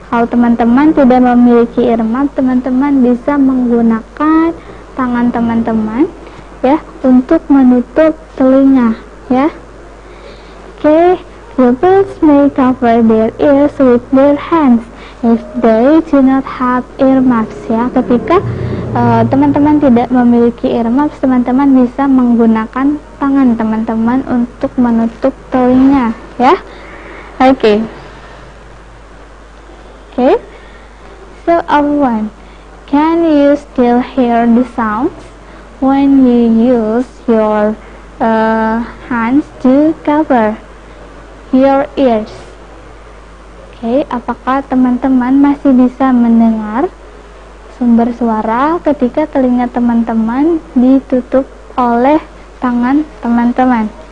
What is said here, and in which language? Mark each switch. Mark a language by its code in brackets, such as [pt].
[id] Kalau teman-teman tidak memiliki earmuffs, teman-teman bisa menggunakan tangan teman-teman ya untuk menutup telinga ya. [en] Okay. Pupils may cover their ears with their hands if they do not have earmuffs ya. [id] Ketika teman-teman tidak memiliki earmuffs, teman-teman bisa menggunakan tangan teman-teman untuk menutup telinga ya. [en] Okay. So everyone, can you still hear the sounds when you use your hands to cover your ears? [id] Okay, apakah teman-teman masih bisa mendengar sumber suara ketika telinga teman-teman ditutup oleh tangan teman-teman?